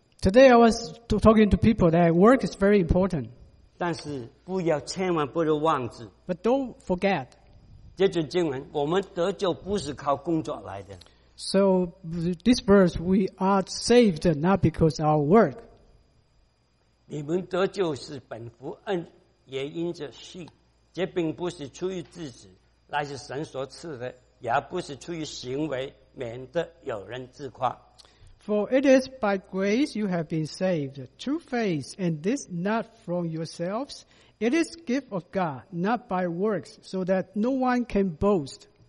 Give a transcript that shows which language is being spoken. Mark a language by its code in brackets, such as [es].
[en] Today I was talking to people that work is very important. [zh] 但是不要千万不要忘记。 [en] But don't forget. [zh] 这句经文,我们得救不是靠工作来的。 [en] So this verse, we are saved not because of our work. [zh] 你们得救是本乎恩,也因着信,这并不是出于自己。乃是神所赐的,也不是出于行为,免得有人自夸。 [en] For it is by grace you have been saved, through faith, and this not from yourselves. It is gift of God, not by works, so that no one can boast.